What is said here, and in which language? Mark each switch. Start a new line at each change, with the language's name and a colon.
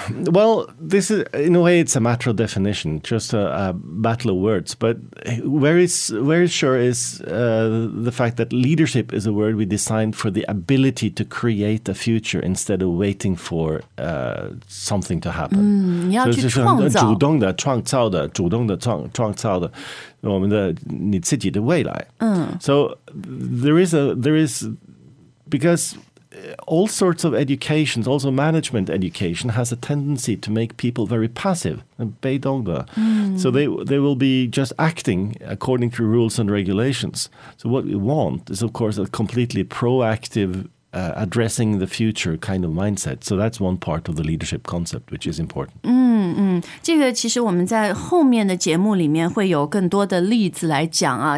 English: Well, this is, in a way, it's a matter of definition, just a battle of words. But where is the fact that leadership is a word we designed for the ability to create a future instead of waiting for something to happen.
Chinese: 你要去创造。所以就是主动的创造的主动的创造的我们的你自己的未来。
English: So there is, because... All sorts of education, also management education, has a tendency to make people very passive. So they will be just acting according to rules and regulations. So what we want is, of course, a completely proactive, addressing the future kind of mindset. So that's one part of the leadership concept, which is important.
Chinese: 这个其实我们在后面的节目里面会有更多的例子来讲啊。